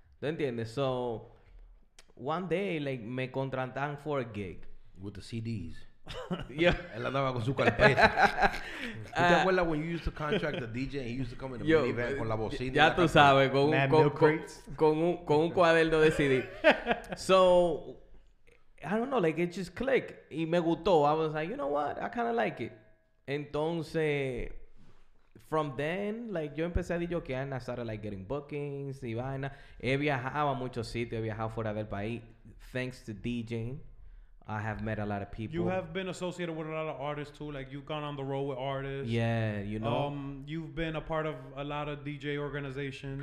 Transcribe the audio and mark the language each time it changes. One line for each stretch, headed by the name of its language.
Spanish: ¿Tú entiendes?
English: So one day, like,
Spanish: me contrataron
English: for a gig. With the CDs. Yeah.
Spanish: Él andaba con su carpeta. ¿Tú te acuerdas
English: when you used to contract the DJ and he used to come in the minivan
Spanish: con la bocina? Ya tú sabes, con un cuaderno de CD.
English: So, I don't know, like, it just clicked.
Spanish: Y me gustó.
English: I was like, you know what? I kind of like it. Entonces, from then, like,
Spanish: yo empecé a DJokear
English: and I started, like, getting bookings
Spanish: y vaina. He viajado a muchos sitios. He viajado fuera del país.
English: Thanks to DJing, I have met a lot of people. You have been associated with a lot of artists, too. Like, you've gone on the road with artists. Yeah, you know. You've been a part of a lot of DJ organizations.